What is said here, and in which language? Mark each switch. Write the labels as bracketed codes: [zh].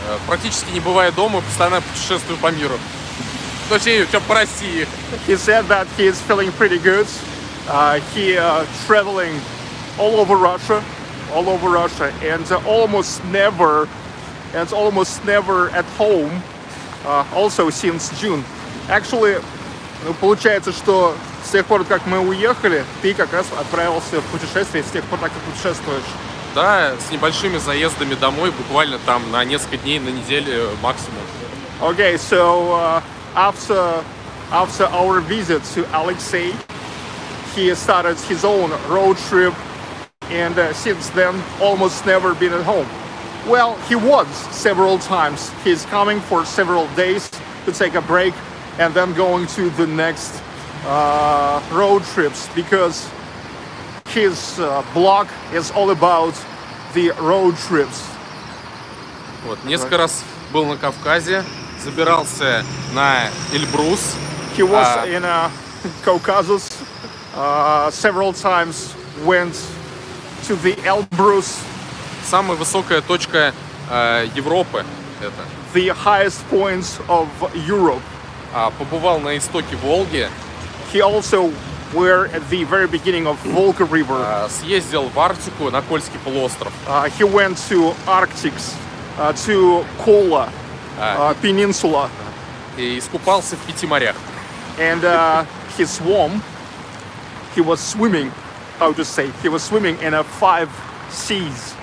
[ru] Практически не бываю дома, постоянно путешествую по миру. Точнее, все по России. [en] He said that he is feeling pretty good. He traveling all over Russia, and almost never at home. Also since June. Actually, [ru] ну, получается, что с тех пор, как мы уехали, ты как раз отправился в путешествие, с тех пор, как ты путешествуешь. Да, с небольшими заездами домой, буквально там на несколько дней, на неделю максимум. [en] Okay, so after our visit to Alexey, he started his own road trip, and since then, almost never been at home. Well, he was several times. He's coming for several days to take a break and then going to the next road trips because his blog is all about the road trips. [ru] Вот, несколько раз был на Кавказе, забирался на Эльбрус. [en] He was in Caucasus several times, went to the Elbrus. [ru] Самая высокая точка Европы это. [en] The highest points of Europe. [ru] Побывал на истоке Волги. [en] He also were at the very beginning of Volga River. [ru] Съездил в Арктику на Кольский полуостров. [en] He went to Arctics, to Kola, Peninsula. [ru] И искупался в пяти морях. [en] And he swam. He was swimming, how to say. He was swimming in a five seas.